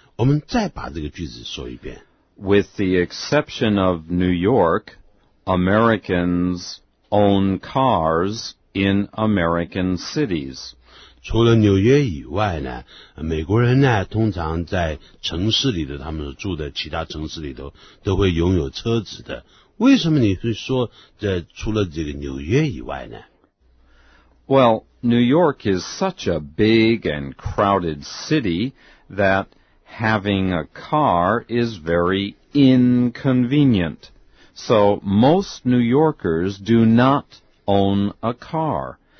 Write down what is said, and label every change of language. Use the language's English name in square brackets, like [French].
[Chinese] 我们再把这个句子说一遍。 [English] With the exception of New York, Americans own cars in American cities. [Chinese] 除了纽约以外呢，美国人呢通常在城市里的他们住的其他城市里头都会拥有车子的。为什么你会说这除了这个纽约以外呢？ [English] Well, New York is such a big and crowded city that having a car is very inconvenient. So most New Yorkers do not own a car.